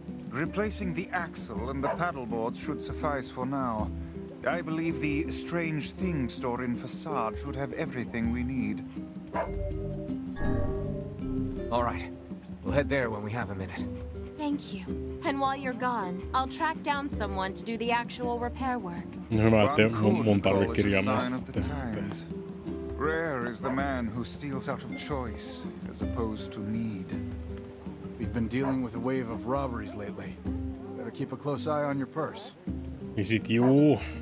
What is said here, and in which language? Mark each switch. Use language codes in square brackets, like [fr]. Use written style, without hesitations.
[en] Replacing the axle and the paddleboards should suffice for now. I believe the strange thing store in Facade should have everything we need. All right. We'll head there when we have a minute. Thank you. And while you're gone, I'll track down someone to do the actual repair work. [fi] Hyvä, ettei mun tarvitse kirjaamista. [en] Rare is the man who steals out of choice, as opposed to need. We've been dealing with a wave of robberies lately. Better keep a close eye on your purse. Is it you?